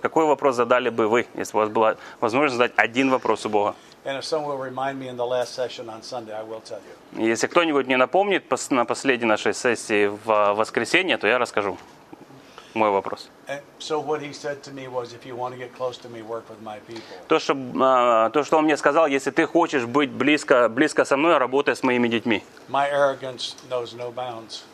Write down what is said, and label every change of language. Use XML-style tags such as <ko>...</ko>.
<ru>Какой вопрос задали бы вы, если бы у вас была возможность задать один вопрос у Бога?</ru> <en>And if someone will remind me in the last session on Sunday, I will tell you.</en> <ru>Если кто-нибудь мне напомнит на последней нашей сессии в воскресенье, то я расскажу мой вопрос.</ru> <en>So what he said to me was, if you want to get close to me, work with my people.</en> <ru>То, что он мне сказал, если ты хочешь быть близко со мной, работай с моими детьми.</ru> <en>My arrogance knows no bounds.</en>